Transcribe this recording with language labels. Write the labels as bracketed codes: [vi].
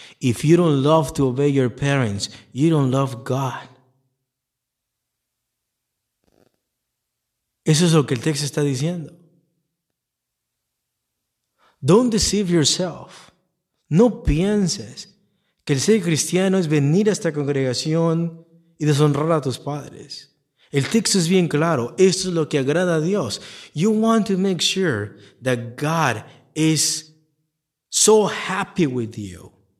[en] If you don't love to obey your parents, you don't love God. [es] Eso es lo que el texto está diciendo. [en] Don't deceive yourself. [es] No pienses que el ser cristiano es venir a esta congregación y deshonrar a tus padres. El texto es bien claro. Esto es lo que agrada a Dios. [en] You want to make sure that God is so happy with you.